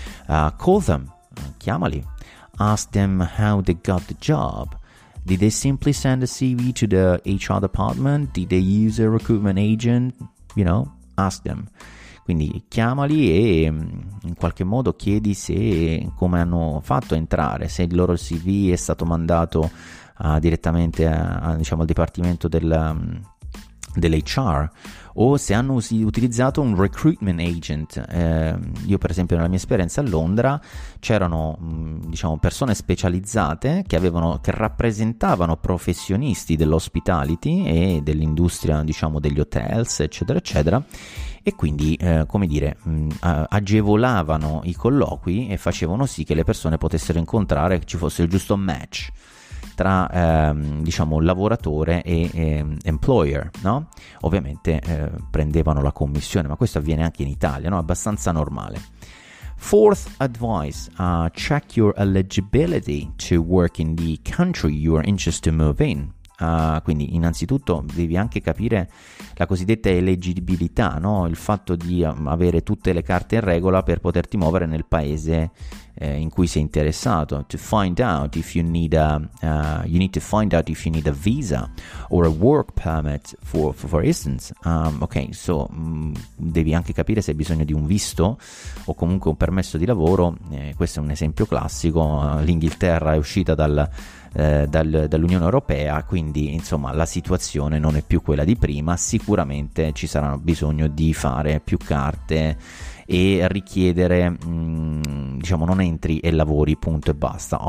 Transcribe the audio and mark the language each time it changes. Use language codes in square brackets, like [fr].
[en] Call them, [it] chiamali, [en] ask them how they got the job. Did they simply send a CV to the HR department? Did they use a recruitment agent? Ask them. [it] Quindi chiamali e in qualche modo chiedi se come hanno fatto a entrare, se il loro CV è stato mandato direttamente al dipartimento dell'HR, o se hanno utilizzato un recruitment agent. Io per esempio nella mia esperienza a Londra c'erano diciamo persone specializzate che rappresentavano professionisti dell'hospitality e dell'industria, diciamo, degli hotels, eccetera eccetera, e quindi agevolavano i colloqui e facevano sì che le persone potessero incontrare, che ci fosse il giusto match tra diciamo lavoratore e employer, no? Ovviamente prendevano la commissione, ma questo avviene anche in Italia, no? Abbastanza normale. [en] Fourth advice, check your eligibility to work in the country you are interested to move in. [it] Quindi innanzitutto devi anche capire la cosiddetta eleggibilità, no? Il fatto di avere tutte le carte in regola per poterti muovere nel paese in cui sei interessato. [en] To find out if you need a you need to find out if you need a visa or a work permit for instance. [it] Devi anche capire se hai bisogno di un visto o comunque un permesso di lavoro. Questo è un esempio classico. L'Inghilterra è uscita dall'Unione Europea, quindi insomma la situazione non è più quella di prima. Sicuramente ci saranno bisogno di fare più carte e richiedere, diciamo, non entri e lavori, punto e basta.